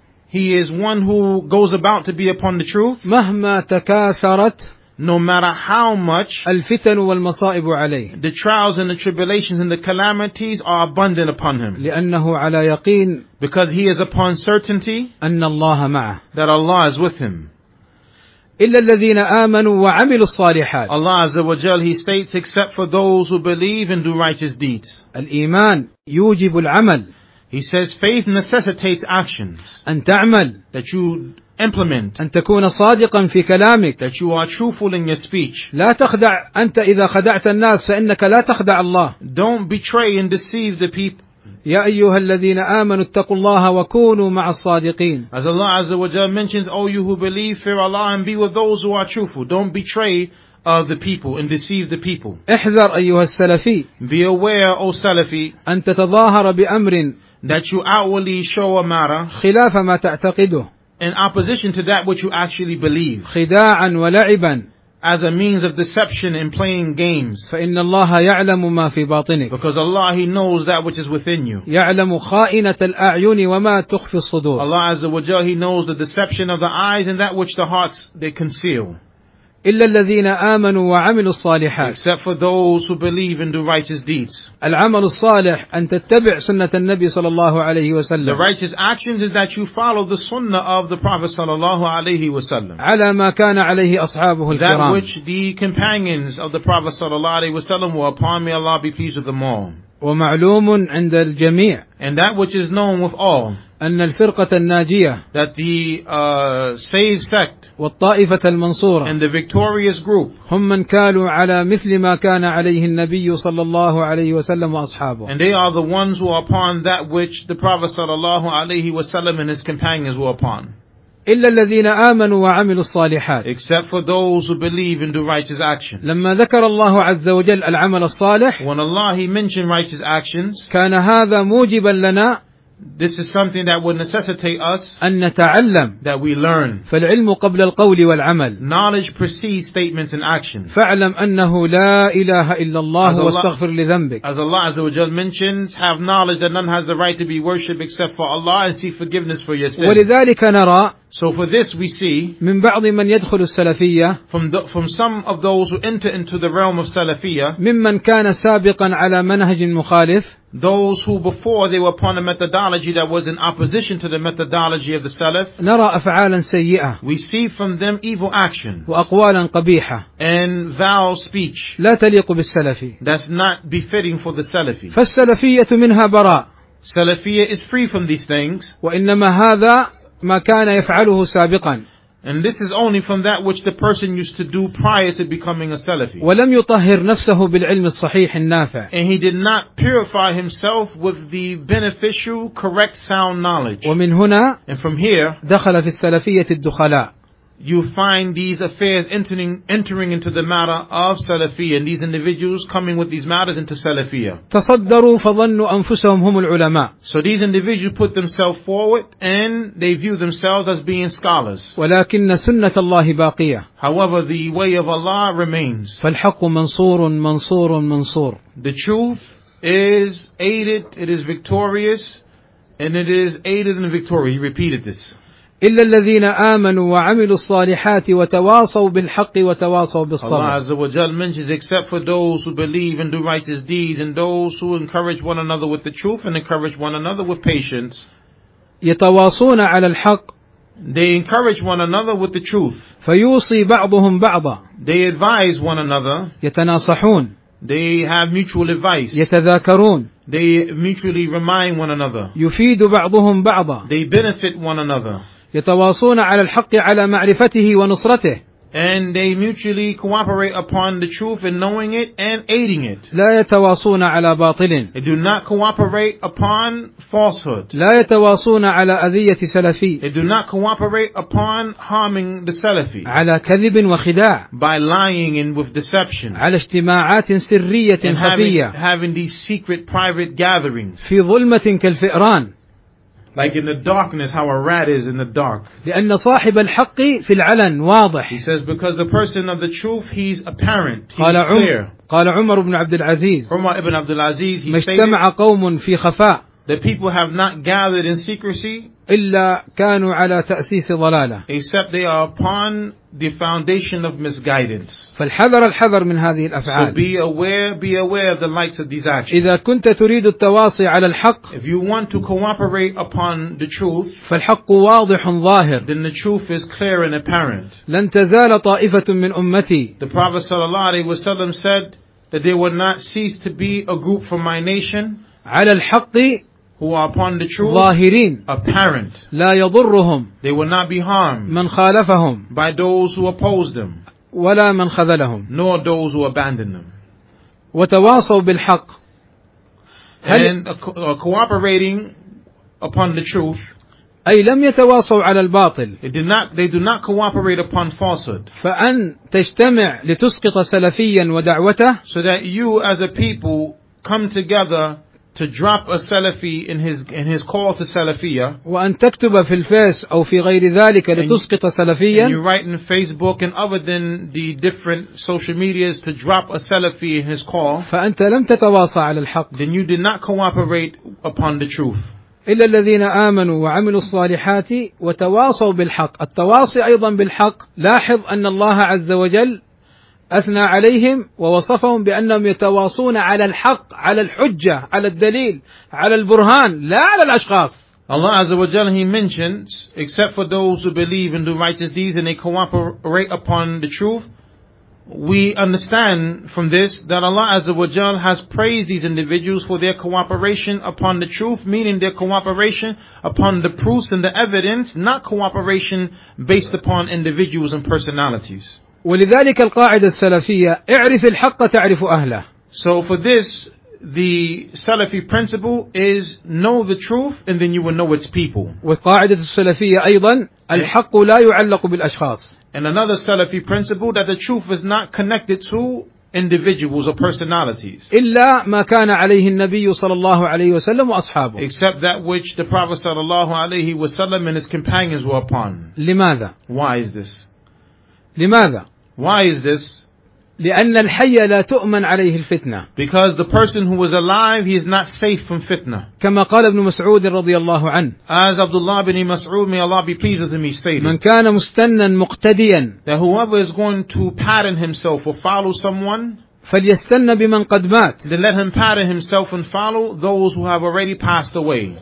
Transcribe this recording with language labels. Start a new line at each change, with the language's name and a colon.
English: He is one who goes about to be upon the truth.
Arabic: مهما تكاثرت.
English: No matter how much.
Arabic: الفتن والمصائب عليه.
English: The trials and the tribulations and the calamities are abundant upon him.
Arabic: لأنه على يقين.
English: Because he is upon certainty.
Arabic: أن الله معه.
English: That Allah is with him.
Arabic: إلا الذين آمنوا وعملوا الصالحات.
English: Allah Azza wa Jal, He states, except for those who believe and do righteous deeds.
Arabic: الإيمان يوجب العمل.
English: He says, faith necessitates actions.
Arabic: أن تعمل.
English: That you implement.
Arabic: أن تكون صادقا في كلامك.
English: That you are truthful in your speech.
Arabic: لا تخدع أنت إذا خدعت الناس فإنك لا تخدع الله.
English: Don't betray and deceive the people.
Arabic: يا أيها الذين آمنوا اتقوا الله وكونوا مع الصادقين.
English: As Allah Azza wa Jalla mentions, O you who believe, fear Allah and be with those who are truthful. Don't betray the people and deceive the people.
Arabic: احذر أيها السلفي.
English: Be aware, O Salafi.
Arabic: أن تتظاهر بأمر.
English: That you outwardly show a matter.
Arabic: خلاف ما تعتقده.
English: In opposition to that which you actually believe.
Arabic: خداعا ولعبا.
English: As a means of deception and playing games.
Arabic: فإن الله يعلم ما في باطنك.
English: Because Allah He knows that which is within you.
Arabic: يعلم خائنة الأعين وما تخفي الصدور.
English: Allah Azza wa Jalla He knows the deception of the eyes and that which the hearts they conceal.
Arabic: إلا الذين آمنوا وعملوا الصالحات.
English: Except for those who believe and do righteous deeds.
Arabic: العمل الصالح أن تتبع سنة النبي صلى الله عليه وسلم.
English: The righteous actions is that you follow the sunnah of the Prophet
Arabic: صلى الله عليه وسلم. على ما كان عليه أصحابه الكرام.
English: That which the companions of the Prophet
Arabic: صلى الله عليه وسلم
English: were upon, may Allah be pleased with them all.
Arabic: ومعلوم عند الجميع.
English: And that which is known with all.
Arabic: أن الفرقة الناجية.
English: That the saved sect.
Arabic: والطائفة المنصورة.
English: And the victorious group.
Arabic: هم من كانوا على مثل ما كان عليه النبي صلى الله عليه وسلم وأصحابه.
English: And they are the ones who are upon that which the Prophet
Arabic: صلى الله عليه وسلم
English: and his companions were upon.
Arabic: إلا الذين آمنوا وعملوا الصالحات.
English: Except for those who believe and do righteous actions.
Arabic: لما ذكر الله عز وجل العمل الصالح.
English: When Allah He mentioned righteous actions.
Arabic: كان هذا موجبا لنا.
English: This is something that would necessitate us.
Arabic: أن نتعلم.
English: That we learn.
Arabic: فالعلم قبل القول والعمل.
English: Knowledge precedes statements and actions.
Arabic: فاعلم أنه لا إله إلا الله واستغفر لذنبك.
English: As Allah
Arabic: عز وجل
English: mentions, have knowledge that none has the right to be worshipped except for Allah and seek forgiveness for your sins.
Arabic: ولذلك نرى.
English: So for this we see
Arabic: من بعض من يدخل السلفية
English: from some of those who enter into the realm of Salafiyya
Arabic: ممن كان سابقا على منهج مخالف
English: those who before they were upon a methodology that was in opposition to the methodology of the Salaf
Arabic: نرى أفعالا سيئة
English: we see from them evil actions
Arabic: وأقوالا قبيحة
English: and vile speech
Arabic: لا تليق بالسلفي
English: that's not befitting for the Salafi
Arabic: فالسلفية منها براء
English: Salafiyya is free from these things
Arabic: وإنما هذا ما كان يفعله سابقا
English: and this is only from that which the person used to do prior to becoming a Salafi
Arabic: ولم يطهر نفسه بالعلم الصحيح النافع
English: and he did not purify himself with the beneficial correct sound knowledge
Arabic: ومن هنا
English: and from here
Arabic: دخل في السلفية الدخلاء
English: you find these affairs entering into the matter of Salafiyya and these individuals coming with these matters into Salafiyya.
Arabic: تصدروا فظنوا أنفسهم هم العلماء.
English: So these individuals put themselves forward and they view themselves as being scholars.
Arabic: ولكن سنة الله باقية.
English: However, the way of Allah remains.
Arabic: فالحق منصور منصور منصور.
English: The truth is aided, it is victorious, and it is aided in victory. He repeated this.
Arabic: إلا الذين آمنوا وعملوا الصالحات وتواصوا بالحق وتواصوا بالصبر.
English: Allah
Arabic: عز وجل
English: mentions except for those who believe and do righteous deeds and those who encourage one another with the truth and encourage one another with patience.
Arabic: يتواصون على الحق.
English: They encourage one another with the truth.
Arabic: فيوصي بعضهم بعضا.
English: They advise one another.
Arabic: يتناصحون.
English: They have mutual advice.
Arabic: يتذاكرون.
English: They mutually remind one another.
Arabic: يفيد بعضهم بعضا.
English: They benefit one another.
Arabic: يتواصون على الحق على معرفته ونصرته.
English: And they mutually cooperate upon the truth in knowing it and aiding it.
Arabic: لا يتواصون على باطل.
English: They do not cooperate upon falsehood.
Arabic: لا يتواصون على أذية سلفي.
English: They do not cooperate upon harming the Salafi.
Arabic: على كذب وخداع.
English: By lying and with deception.
Arabic: على اجتماعات سرية خفية.
English: Having these secret private gatherings.
Arabic: في ظلمة كالفئران.
English: Like in the darkness, how a rat is in the dark.
Arabic: لأن صاحب الحق في العلن واضح.
English: He says, because the person of the truth, he's apparent. He's
Arabic: قال
English: clear.
Arabic: قال عمر بن عبد العزيز. عمر بن عبد العزيز. ما اجتمع قوم في خفاء.
English: The people have not gathered in secrecy.
Arabic: إلا كانوا على تأسيس ضلالة.
English: Except they are upon the foundation of misguidance.
Arabic: فالحذر الحذر من هذه الأفعال.
English: So be aware of the likes of these actions.
Arabic: إذا كنت تريد التواصي على الحق.
English: If you want to cooperate upon the truth.
Arabic: فالحق واضح ظاهر.
English: Then the truth is clear and apparent.
Arabic: لن تزال طائفة من أمتي.
English: The Prophet
Arabic: صلى الله عليه وسلم
English: said that they will not cease to be a group from my nation.
Arabic: على الحق.
English: Who are upon the truth,
Arabic: ظاهرين,
English: apparent.
Arabic: لا يضرهم.
English: They will not be harmed.
Arabic: من خالفهم.
English: By those who oppose them.
Arabic: ولا من خذلهم.
English: Nor those who abandon them.
Arabic: وتواصوا بالحق.
English: And cooperating upon the truth.
Arabic: أي لم يتواصوا على الباطل.
English: They do not cooperate upon falsehood.
Arabic: فأن تجتمع لتسقط سلفيا ودعوته.
English: So that you as a people come together. To drop a Salafi in his call to Salafiyya.
Arabic: وأن تكتب في الفيس أو في غير ذلك لتسقط سلفيا.
English: And you write in Facebook and other than the different social medias to drop a Salafi in his call.
Arabic: فأنت لم تتواصى على الحق.
English: Then you did not cooperate upon the truth.
Arabic: إلا الذين آمنوا وعملوا الصالحات وتواصوا بالحق. التواصي أيضا بالحق. لاحظ أن الله عز وجل أثنى عليهم ووصفهم بأنهم يتواصون على الحق على الحجة على الدليل على البرهان لا على الأشخاص
English: Allah
Arabic: عز وجل
English: he mentions except for those who believe and do righteous deeds and they cooperate upon the truth we understand from this that Allah عز وجل has praised these individuals for their cooperation upon the truth meaning their cooperation upon the proofs and the evidence not cooperation based upon individuals and personalities
Arabic: ولذلك القاعدة السلفية اعرف الحق تعرف أهله
English: So for this the Salafi principle is know the truth and then you will know its people.
Arabic: وقاعدة السلفية أيضا الحق لا يعلق بالأشخاص.
English: And another Salafi principle that the truth is not connected to individuals or personalities.
Arabic: إلا ما كان عليه النبي صلى الله عليه وسلم وأصحابه.
English: Except that which the Prophet
Arabic: صلى الله عليه وسلم
English: and his companions were upon.
Arabic: لماذا؟
English: Why is this?
Arabic: لماذا؟
English: Why is this?
Arabic: لأن الحي لا تؤمن عليه الفتنة.
English: Because the person who was alive, he is not safe from fitna.
Arabic: كما قال ابن مسعود رضي الله عنه.
English: As Abdullah bin Mas'ud, may Allah be pleased with him, he stated.
Arabic: من كان مستنا مقتديا.
English: That whoever is going to pattern himself or follow someone.
Arabic: فليستن بمن قد مات.
English: Then let him pattern himself and follow those who have already passed away.